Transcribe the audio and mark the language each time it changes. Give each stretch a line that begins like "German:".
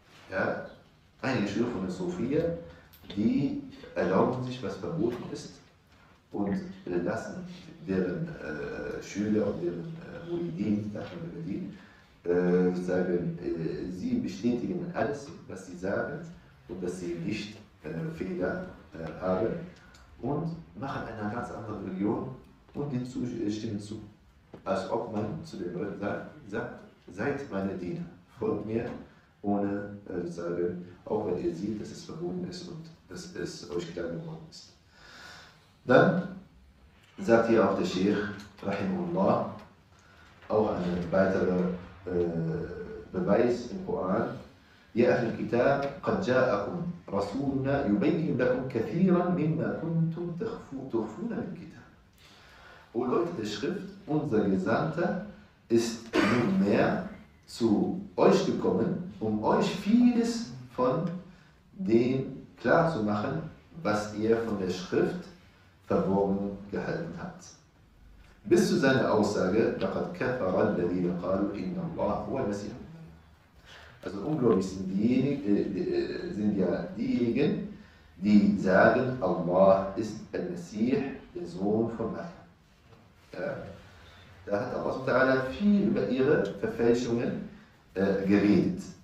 German: Ja, einige Schülern von der Sufie, die erlauben sich, was verboten ist, und lassen deren Schüler und deren Muridin, sie bestätigen alles, was sie sagen und dass sie nicht Fehler haben und machen einer ganz anderen Religion und den stimmen zu. Als ob man zu den Leuten sagt, seid meine Diener, folgt mir ohne sozusagen, auch wenn ihr seht, dass es verboten ist und dass es euch klar geworden ist. Dann sagt hier auch der Sheikh, Rahimullah, auch ein weiterer Beweis im Koran,
Arabic: يا أهل الكتاب قد جاءكم رسولنا يبين لكم كثيرا مما كنتم تخفون من الكتاب.
German: O Leute der Schrift, unser Gesandter ist nunmehr zu euch gekommen, um euch vieles von dem klar zu machen, was ihr von der Schrift verborgen gehalten habt. Bis zu seiner Aussage,
Arabic: لقد كفر الذين قالوا إن الله هو المسيح.
German: Also ungläubig sind diejenigen, die sagen, Allah ist der Messias, der Sohn von Maryam. Ja. Da hat Allah viel über ihre Verfälschungen geredet.